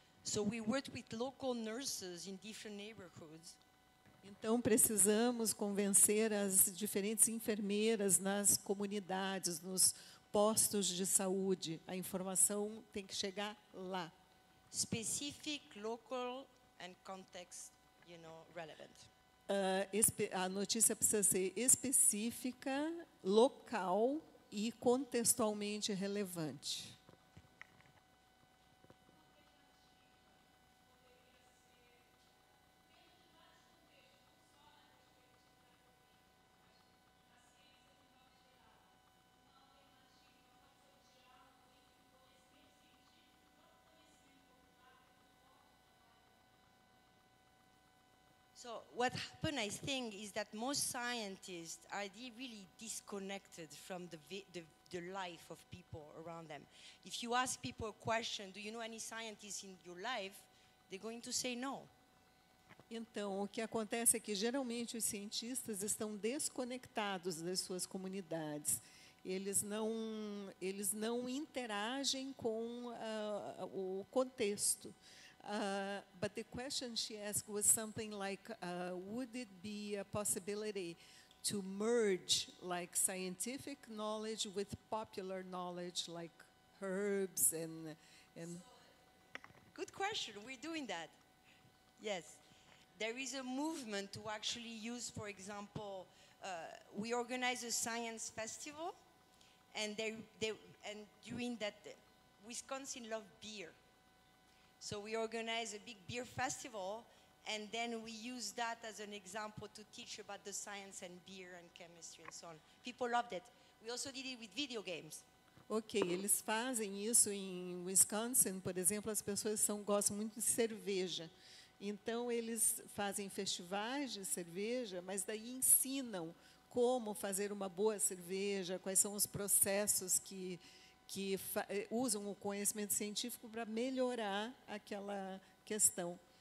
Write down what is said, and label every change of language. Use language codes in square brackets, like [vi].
[en] So we worked with local nurses in different neighborhoods. [pt] Então precisamos convencer as diferentes enfermeiras nas comunidades, nos postos de saúde. A informação tem que chegar lá. [en] Specific, local and context, you know, relevant. [pt] A notícia precisa ser específica, local e contextualmente relevante. [en] So what happened, I think, is that most scientists are really disconnected from the life of people around them. If you ask people a question, do you know any scientists in your life, they're going to say no. [pt] Então, o que acontece é que geralmente os cientistas estão desconectados das suas comunidades. Eles não interagem com o contexto. [en] But the question she asked was something like, would it be a possibility to merge like scientific knowledge with popular knowledge like herbs and good question, we're doing that. Yes, there is a movement to actually use, for example, we organize a science festival and they during that, Wisconsin love beer. So we organize a big beer festival, and then we use that as an example to teach about the science and beer and chemistry and so on. People loved it. We also did it with video games. [pt] Okay, eles fazem isso em Wisconsin, por exemplo, as pessoas gostam muito de cerveja. Então, eles fazem festivais de cerveja, mas daí ensinam como fazer uma boa cerveja, quais são os processos que usam o conhecimento científico para melhorar aquela questão.